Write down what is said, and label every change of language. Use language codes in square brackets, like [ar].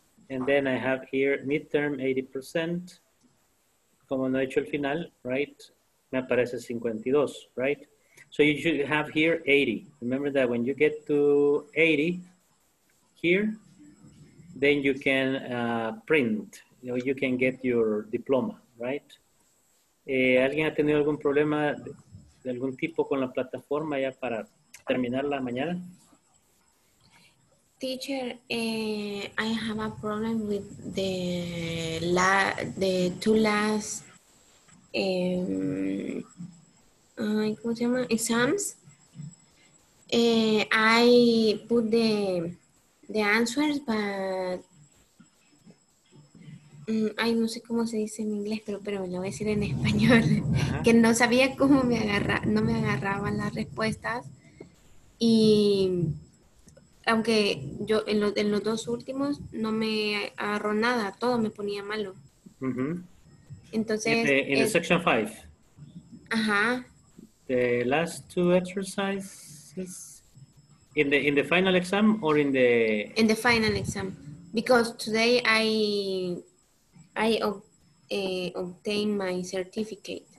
[en] And then I have here midterm 80%. Como no he hecho el final, right? Me aparece 52, right? So you should have here 80. Remember that when you get to 80 here, then you can print. You know, you can get your diploma, right? [es] ¿Alguien ha tenido algún problema de algún tipo con la plataforma ya para terminar la mañana? [en] Teacher, I have a problem with the two last exams. [es] I put the answers, but ay, no sé cómo se dice en inglés, pero me lo voy a decir en español. Uh-huh. Que no sabía cómo no me agarraban las respuestas. Y aunque yo en los dos últimos no me agarró nada, todo me ponía malo. Uh-huh. Entonces, [en] in the section 5. [es] Ajá. [en] the last two exercises in the final exam or in the final exam, because today I obtained my certificate.